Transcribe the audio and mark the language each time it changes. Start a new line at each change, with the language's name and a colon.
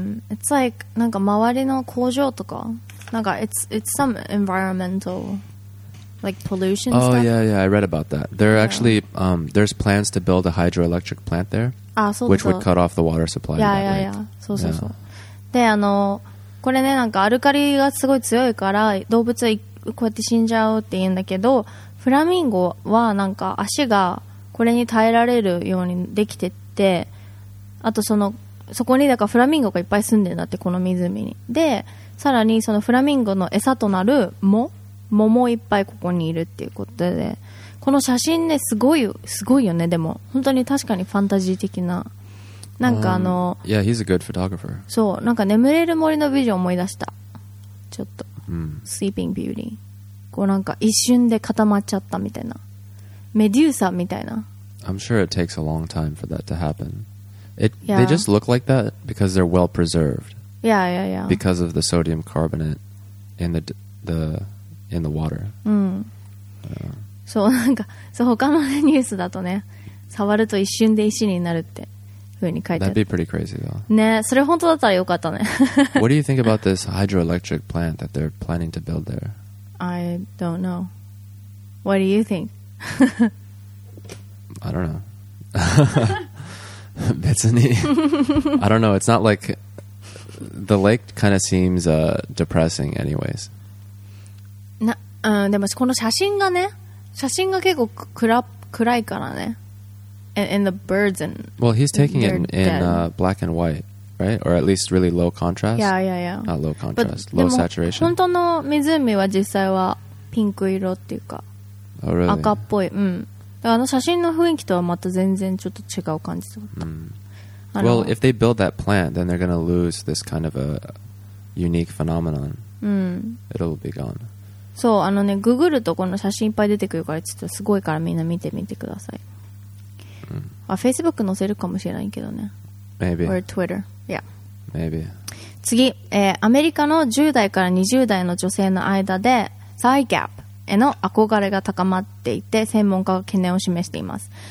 English: It's like
Japanese: なんか周りの工場とかなんか
English: it's some environmental like pollution oh, stuff. Oh yeah, yeah, I read about that. There are actually there's plans to build a hydroelectric plant there, which would cut off the water supply. Yeah, yeah, yeah.
Japanese: そうそうそう。で、あのこれね、なんかアルカリがすごい強いから動物はこうやって死んじゃうって言うんだけど、フラミンゴはなんか足がこれに耐えられるようにできてって、あとそこにだからフラミンゴがいっぱい住んでるんだって、この湖に。でさらにそのフラミンゴの餌となる藻もいっぱいここにいるっていうことで、この写真ねすごいよね。でも本当に確かにファンタジー的な、なんかあの、
English: yeah, he's a good photographer.
Japanese: そう、なんか眠れる森のビジョン思い出した。ちょっと、Sleeping Beauty。こうなんか一瞬で固まっちゃったみたいな。メデューサみたいな。
English: I'm sure it takes a long time for that to happen. Yeah. They just look like that because they're well preserved. Yeah, yeah, yeah. Because of the sodium carbonate in the water.
Japanese: そう、なんか、そう、他のニュースだとね、触ると一瞬で石になるって。
English: That'd be pretty crazy though.
Japanese: ね、それ本当だったらよかったね。
English: What do you think about this hydroelectric plant that they're planning to build there? I don't know. What do you think? I don't know.
Japanese: 別に。
English: I don't know. It's not like the lake kind of seems depressing anyways.
Japanese: な、でもこの写真がね、写真が結構暗いからね。
English: And the birds and well, he's taking it in black and white, right? Or at least really low contrast. Yeah, yeah, yeah. Not low contrast, but low saturation.
Japanese: 本当の湖は実際はピンク色っていうか、
English: oh, really?
Japanese: 赤っぽい。うん。だからあの写真の雰囲気とはまた全然ちょっと違う感じだった。
English: Well, if they build that plant, then they're going to lose this kind of a unique phenomenon. It'll be gone.
Japanese: そう、あのね、ググるとこの写真いっぱい出てくるから、ちょっとすごいからみんな見てみてください。あ、Facebook 載せるかもしれないけどね。
English: Maybe. Or Twitter. Yeah. Maybe.
Japanese: 次、アメリカの10代から20代の女性の間で、thigh gap への憧れが高まっていて、専門家が懸念を示しています。